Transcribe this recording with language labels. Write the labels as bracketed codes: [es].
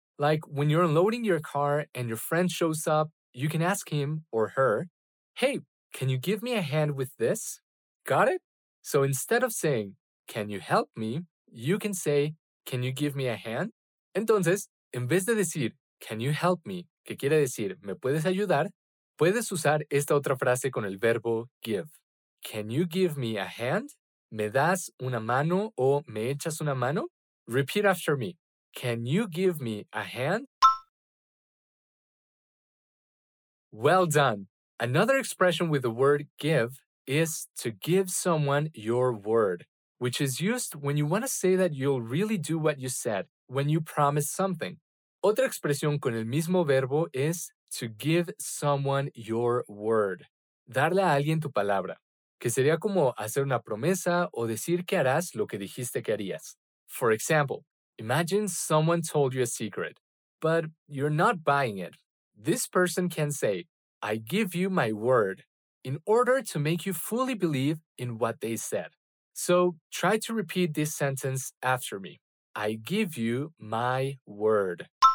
[en] Like when you're unloading your car and your friend shows up, you can ask him or her, "Hey, can you give me a hand with this?" Got it? So instead of saying, "Can you help me?" you can say, "Can you give me a hand?" [es] Entonces, en vez de decir, [en] "Can you help me?" [es] que quiere decir, "¿Me puedes ayudar?" puedes usar esta otra frase con el verbo give. [en] "Can you give me a hand?" [es] ¿Me das una mano o me echas una mano? [en] Repeat after me. "Can you give me a hand?" Well done. Another expression with the word give is to give someone your word, which is used when you want to say that you'll really do what you said, when you promise something. [es] Otra expresión con el mismo verbo es [en] to give someone your word. [es] Darle a alguien tu palabra, que sería como hacer una promesa o decir que harás lo que dijiste que harías. [en] For example, imagine someone told you a secret, but you're not buying it. This person can say, "I give you my word," in order to make you fully believe in what they said. So try to repeat this sentence after me. "I give you my word."